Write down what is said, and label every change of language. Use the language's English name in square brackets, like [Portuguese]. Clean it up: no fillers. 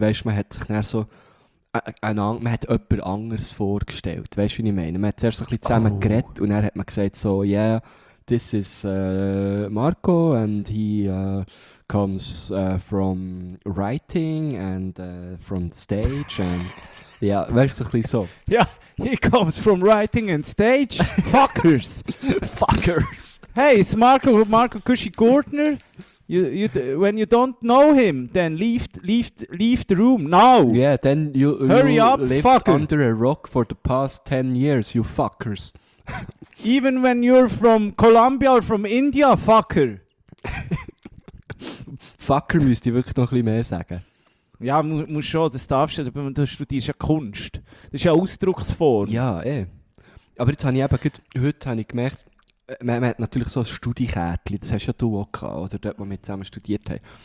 [German] Weißt du, man hat sich dann so, man hat jemand anders vorgestellt. Weißt du, wie ich meine? Man hat zuerst ein bisschen zusammen geredet und dann hat man gesagt so, [English] yeah, this is Marco and he comes from writing and from stage [German] and ja, weißt du, ein bisschen so. [English] Ja, he comes from writing and stage. Fuckers. Fuckers. Hey, it's Marco Cushy Gordner. When you don't know him, then leave the room now. Yeah, then you lived fucker. Under a rock for the past 10 years, you fuckers. Even when you're from Colombia or from India, fucker. [German] Fucker müsste ich wirklich noch ein bisschen mehr sagen. Ja, muss schon, das darfst du, aber du studierst ja Kunst. Das ist ja Ausdrucksform. Ja, eh. Aber jetzt habe ich eben heute habe ich gemerkt, man hat natürlich so ein Studiekärtchen, das hast ja du auch gehabt, oder dort, wo wir zusammen studiert haben.